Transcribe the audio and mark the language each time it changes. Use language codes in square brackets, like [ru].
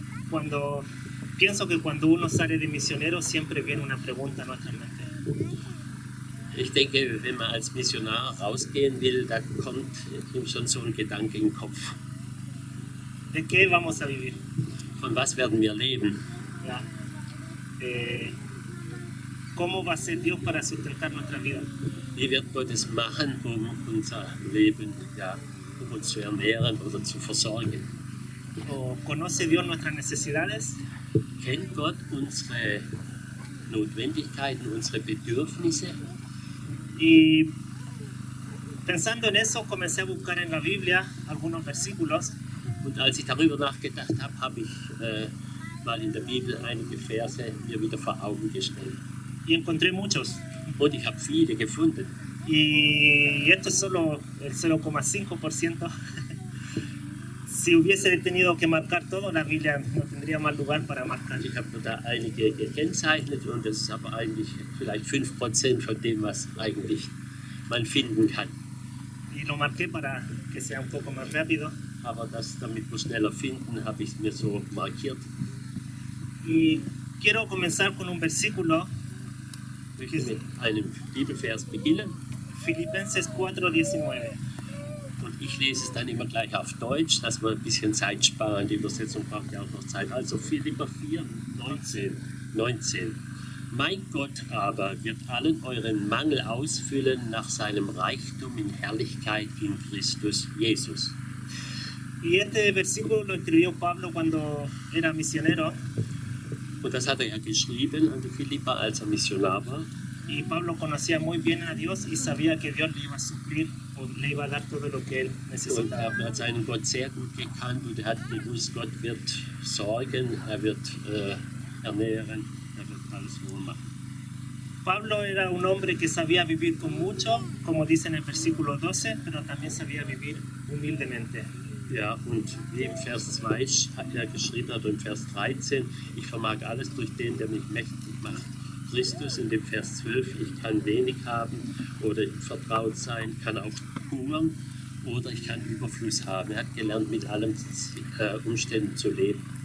[es] cuando, pienso que cuando uno sale de misionero, siempre viene una pregunta a nuestra mente. [de] Ich denke, wenn man als Missionar rausgehen will, da kommt ihm schon so ein Gedanke in den Kopf. [es] ¿De qué vamos a vivir? [de] Von was werden wir leben? Ja. [es] ¿Cómo va a ser Dios para sustentar nuestra vida? [de] Wie wird Gott es machen, um unser Leben, ja, um uns zu ernähren oder zu versorgen? [es] ¿O conoce Dios nuestras necesidades? [de] Kennt Gott unsere Notwendigkeiten, unsere Bedürfnisse? [es] Y pensando en eso, comencé a buscar en la Biblia algunos versículos. [de] Und als ich darüber nachgedacht habe, habe ich mal in der Bibel einige Verse mir wieder vor Augen gestellt. [es] Y encontré muchos. [de] Und ich habe viele gefunden. [es] Y esto es solo el 0,5%. Si hubiese tenido que marcar todo, la Biblia no tendría más lugar para marcar. [de] Ich habe da einige gekennzeichnet und das ist aber eigentlich vielleicht 5% von dem, was eigentlich man finden kann. [es] Y lo marqué para que sea un poco más rápido. [de] Aber das, damit wir schneller finden, habe ich mir so markiert. [es] Y quiero comenzar con un versículo. [de] Ich will mit einem Bibelvers beginnen. [es] Filipenses 4,19. [de] Ich lese es dann immer gleich auf Deutsch, dass wir ein bisschen Zeit sparen. Die Übersetzung braucht ja auch noch Zeit. Also Philipper 4, 19. Mein Gott aber wird allen euren Mangel ausfüllen nach seinem Reichtum in Herrlichkeit in Christus Jesus. [es] Y este versículo lo escribió Pablo cuando era misionero. [de] Und das hat er ja geschrieben an die Philipper, als er Missionar war. [es] Y Pablo conocía muy bien a Dios y sabía que Dios le iba a suplir. [de] Und er hat seinen Gott sehr gut gekannt und er hat gewusst, Gott wird sorgen, er wird ernähren, er wird alles wohl machen. [es] Pablo era un hombre que sabía vivir con mucho, como dice en el versículo 12, pero también sabía vivir humildemente. [de] Ja, und wie im Vers 2 hat er geschrieben, oder im Vers 13, ich vermag alles durch den, der mich mächtig macht. Christus in dem Vers 12, ich kann wenig haben oder vertraut sein, kann auch hungern oder ich kann Überfluss haben. Er hat gelernt, mit allen Umständen zu leben.